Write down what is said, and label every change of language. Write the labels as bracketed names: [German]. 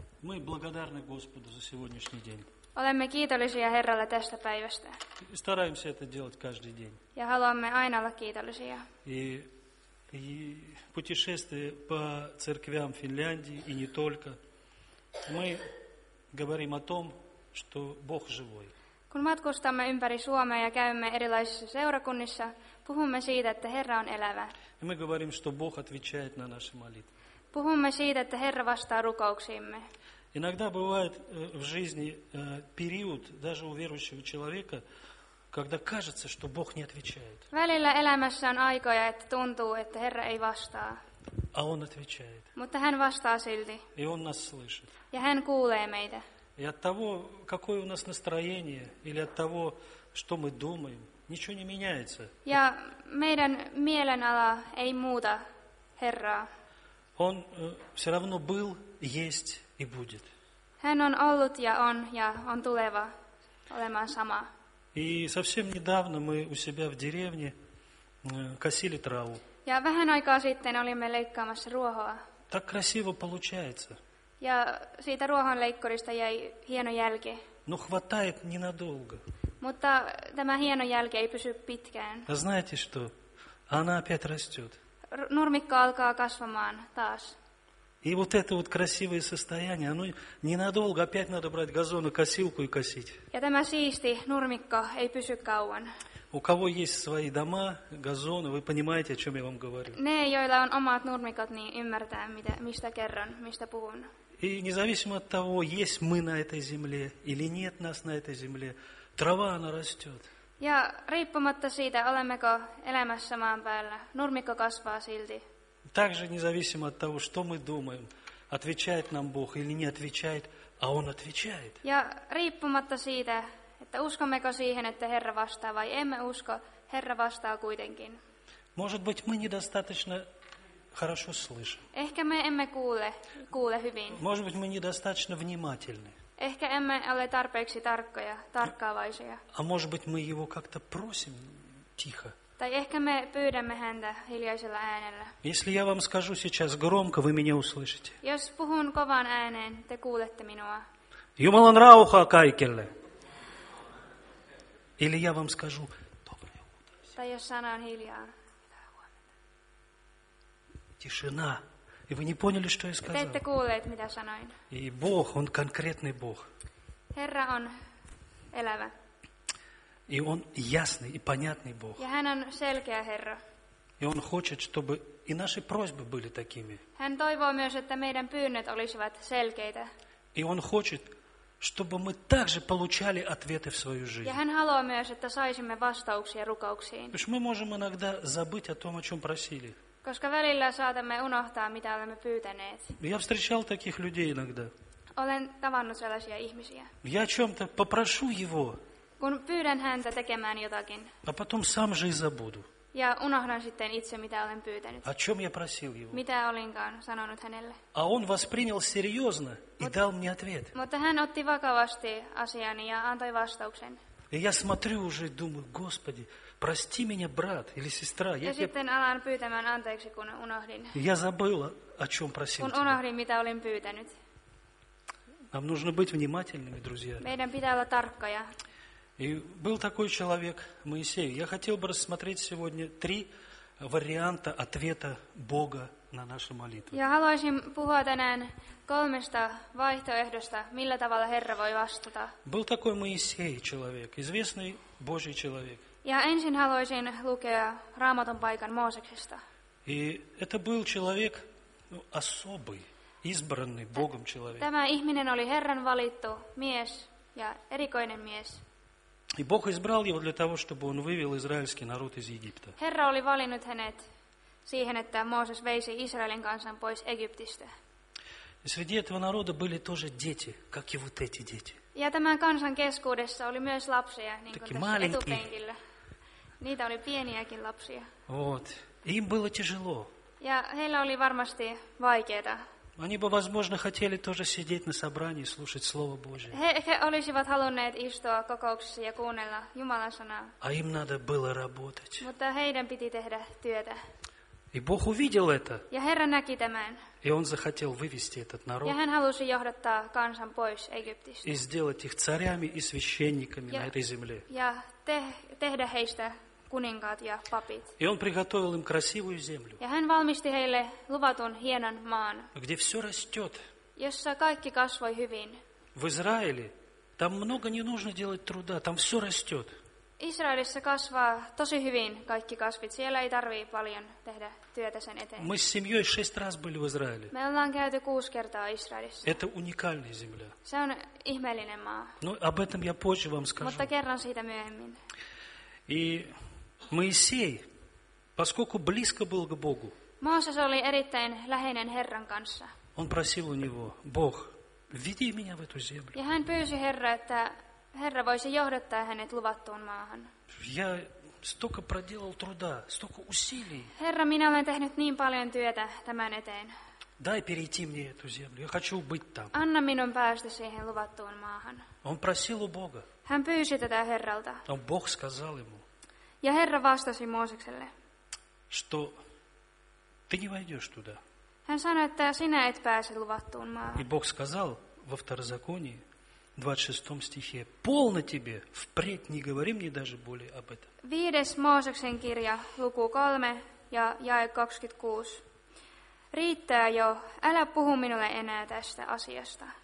[Russian] Мы благодарны Господу за сегодняшний день. [Finnish] Olemme kiitollisia Herralle tästä päivästä. [Russian] Стараемся это делать каждый день. [Finnish] Ja haluamme aina olla kiitollisia. [Russian] И путешествие по церквям Финляндии и не только. Мы говорим о том, что Бог живой. [Finnish] Kun matkustamme ympäri Suomea ja käymme erilaisissa seurakunnissa, puhumme siitä, että Herra on elävä. [Russian] И мы говорим, что Бог отвечает на наши молитвы. [Finnish] Puhumme siitä, että Herra vastaa rukouksiimme. [Russian] Иногда бывает в жизни период, даже у верующего человека, когда кажется, что Бог не отвечает. [Finnish] Välillä elämässä on aikoja, että tuntuu, että Herra ei vastaa. [Russian] А Он отвечает. [Finnish] Mutta Hän vastaa silti. [Russian] И Он нас слышит. [Finnish] Ja Hän kuulee meitä. [Russian] И от того, какое у нас настроение, или от того, что мы думаем, ничего не меняется. [Finnish] Ja meidän mielenala ei muuta Herraa. [Russian] Он все равно был, есть. И будет. [Finnish] Hän on ollut ja on tuleva olemaan sama. [Russian] И совсем недавно мы у себя в деревне косили траву. [Finnish] Ja vähän aikaa sitten olimme leikkaamassa ruohoa. [Russian] Так красиво получается. [Finnish] Ja siitä ruohonleikkurista jäi hieno jälki. [Russian] Но хватает ненадолго. [Finnish] Mutta tämä hieno jälki ei pysy pitkään. [Russian] А знаете что? Она опять растет. [Finnish] Нурмикка alkaa kasvamaan taas. [Russian] И вот это вот красивое состояние, оно ненадолго, опять надо брать газону, косилку и косить. [Finnish] Ja tämä siisti nurmikko ei pysy kauan. [Russian] У кого есть свои дома, газоны, вы понимаете, о чем я вам говорю. [Finnish] Ne, joilla on omat nurmikot, niin ymmärtää, mistä kerron, mistä puhun. [Russian] И независимо от того, есть мы на этой земле или нет нас на этой земле, трава, она растет. [Finnish] Ja riippumatta siitä, olemmeko elämässä maan päällä, nurmikko kasvaa silti. [Russian] Также независимо от того, что мы думаем, отвечает нам Бог или не отвечает, а Он отвечает. [Finnish] Ja riippumatta siitä, että uskommeko siihen, että Herra vastaa vai emme usko, Herra vastaa kuitenkin. [Russian] Может быть, мы недостаточно хорошо слышим. [Finnish] Ehkä me emme kuule hyvin. [Russian] Может быть, мы недостаточно внимательны. [Finnish] Ehkä emme ole tarpeeksi tarkkoja, tarkkaavaisia. [Russian] А может быть, мы его как-то просим тихо. [Finnish] Tai ehkä me pyydämme häntä hiljaisella äänellä. [Russian] Если я вам скажу сейчас громко, вы меня услышите. [Finnish] Jos puhun kovan ääneen, te kuulette minua. Jumalan rauhaa kaikille. [Russian] Или я вам скажу доброе утро. [Finnish] Tai jos sanon hiljaa. [Russian] Тишина. И вы не поняли, что я сказал. [Finnish] Te ette kuulleet, mitä sanoin. [Russian] И Бог, Он конкретный Бог. [Finnish] Herra on elävä. [Russian] И Он ясный и понятный Бог. [Finnish] Ja hän on selkeä Herra. [Russian] И Он хочет, чтобы и наши просьбы были такими. [Finnish] Hän toivoo myös, että meidän pyynnöt olisivat selkeitä. [Russian] И Он хочет, чтобы мы также получали ответы в свою жизнь. [Finnish] Ja hän haluaa myös, että saisimme vastauksia rukouksiin. [Russian] Потому что мы можем иногда забыть о том, о чем просили. [Finnish] Koska välillä saatamme unohtaa, mitä olemme pyytäneet. [Russian] Я встречал таких людей иногда. [Finnish] Olen tavannut sellaisia ihmisiä. [Russian] Я о чем-то попрошу Его. [Finnish] Kun pyydän häntä tekemään jotakin. [Russian] А потом сам же и забуду. [Finnish] Ja unohdan sitten itse, mitä olen pyytänyt. [Russian] О чем я просил его? [Finnish] Mitä olinkaan sanonut hänelle. [Russian] А он воспринял серьезно и дал мне ответ. [Finnish] Mutta hän otti vakavasti asiani ja antoi vastauksen. [Russian] И я смотрю уже и думаю, Господи, прости меня, брат или сестра. [Finnish] Ja sitten alan pyytämään anteeksi, kun unohdin. [Russian] Я забыл, о чем просил тебя. [Finnish] Kun unohdin, mitä olin pyytänyt. [Russian] Нам нужно быть внимательными, друзья. [Finnish] Meidän pitää olla tarkkoja. [Russian] И был такой человек, Моисей. Я хотел бы рассмотреть сегодня три варианта ответа Бога на нашу молитву. [Finnish] Я haluaisin puhua tänään kolmesta vaihtoehdosta, millä tavalla Herra voi vastata. [Russian] Был такой Моисей человек, известный Божий человек. [Finnish] Ja ensin haluaisin lukea Raamatun paikan Mooseksesta. [Russian] И это был человек особый, избранный Богом человек. [Finnish] Tämä ihminen oli Herran valittu mies ja erikoinen mies. [Russian] И Бог избрал его для того, чтобы он вывел израильский народ из Египта. [Finnish] Herra oli valinnut hänet siihen, että Mooses veisi Israelin kansan pois Egyptistä. [Russian] И среди этого народа были тоже дети, как и вот эти дети. [Finnish] Ja tämän kansan keskuudessa oli myös lapsia, niin kuin tässä [Russian] маленькие. [Finnish] Etupenkillä. Niitä oli pieniäkin lapsia. [Russian] Вот. Им было тяжело. [Finnish] Ja heillä oli varmasti vaikeaa. [Russian] Они бы, возможно, хотели тоже сидеть на собрании и слушать Слово Божие. [Finnish] He olisivat halunneet istua kokouksessa ja kuunnella Jumalan sanaa. [Russian] А им надо было работать. [Finnish] Mutta heidän piti tehdä työtä. [Russian] И Бог увидел это. [Finnish] Ja Herra näki tämän. [Russian] И Он захотел вывести этот народ. [Finnish] Ja hän halusi johdattaa kansan pois Egyptistä. [Russian] И сделать их царями и священниками на этой земле. [Finnish] Ja tehdä heistä kuninkaat ja papit. [Russian] И он приготовил им красивую землю. [Finnish] Ja hän valmisti heille luvatun hienon maan. [Russian] Где все растет. [Finnish] Jossa kaikki kasvoi hyvin. [Russian] В Израиле там много не нужно делать труда, там все растет. [Finnish] Israelissa kasvaa tosi hyvin kaikki kasvit. Siellä ei tarvii paljon tehdä työtä sen eteen. [Russian] Мы с семьей 6 раз были в Израиле. [Finnish] Me ollaan käyty 6 kertaa Israelissa. [Russian] Это уникальная земля. [Finnish] Se on ihmeellinen maa. [Russian] Но об этом я позже вам скажу. [Finnish] Mutta kerron siitä myöhemmin. [Russian] И Моисей, поскольку близко был к Богу, [Finnish] Мосес oli erittäin läheinen Herran kanssa. [Russian] Он просил у него, Бог, веди меня в эту землю. [Finnish] Ja hän pyysi Herra, että Herra voisi johdattaa hänet luvattuun maahan. [Russian] Я столько проделал труда, столько усилий. [Finnish] Herra, minä olen tehnyt niin paljon työtä tämän eteen. [Russian] Дай перейти мне эту землю, я хочу быть там. [Finnish] Anna minun päästä siihen luvattuun maahan. [Russian] Он просил у Бога. [Finnish] Hän pyysi tätä Herralta. [Russian] Но Бог сказал ему. [Finnish] Ja Herra vastasi Moosekselle. [Russian] Что ты не войдешь туда. [Finnish] Hän sanoi, että sinä et pääse luvattuun maahan. [Russian] И Бог сказал во Второзаконии, 26 стихе, полно тебе, впредь не говори мне даже более об этом. [Finnish] 5. Мооксен кирья, луку 3, ja jae 26. Riittää jo. Älä puhu minulle enää tästä asiasta.